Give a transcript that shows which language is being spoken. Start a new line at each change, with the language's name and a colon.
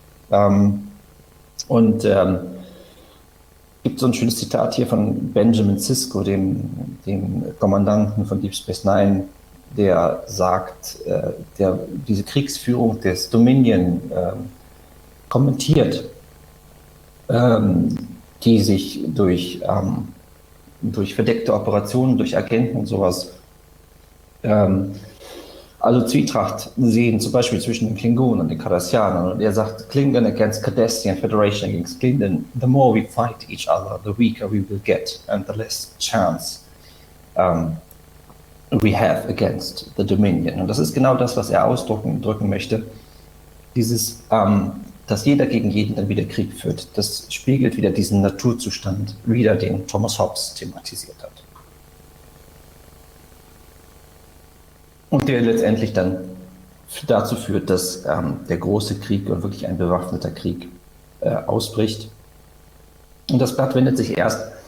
German: Es gibt so ein schönes Zitat hier von Benjamin Sisko, dem Kommandanten von Deep Space Nine, der sagt, der diese Kriegsführung des Dominion kommentiert, die sich durch verdeckte Operationen, durch Agenten und sowas, also Zwietracht sehen, zum Beispiel zwischen den Klingonen und den Cardassianern. Und er sagt,
English: Klingon against Cardassian, Federation against Klingon, the more we fight each other, the weaker we will get and the less chance we have against the Dominion.
German: Und das ist genau das, was er ausdrücken möchte. Dieses, dass jeder gegen jeden dann wieder Krieg führt, das spiegelt wieder diesen Naturzustand wieder, den Thomas Hobbes thematisiert hat. Und der letztendlich dann dazu führt, dass der große Krieg und wirklich ein bewaffneter Krieg ausbricht. Und das Blatt wendet sich erst